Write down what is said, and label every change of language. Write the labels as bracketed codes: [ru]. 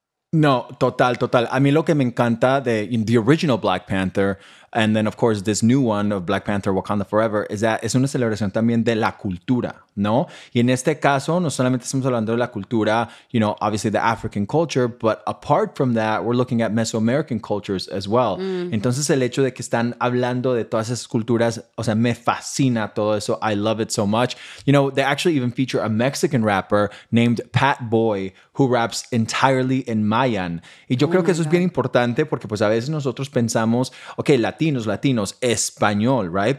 [es] No, total, total. A mí lo que me encanta de [en] the original Black Panther, and then of course this new one of Black Panther Wakanda Forever, is that [es] es una celebración también de la cultura, ¿no? Y en este caso, no solamente estamos hablando de la cultura, [en] you know, obviously the African culture, but apart from that, we're looking at Mesoamerican cultures as well. Mm-hmm. [es] Entonces el hecho de que están hablando de todas esas culturas, o sea, me fascina todo eso. [en] I love it so much. You know, they actually even feature a Mexican rapper named Pat Boy, who raps entirely in Mayan. [es] Y yo creo que eso es bien importante porque pues a veces nosotros pensamos, okay, Latinos, Español, right?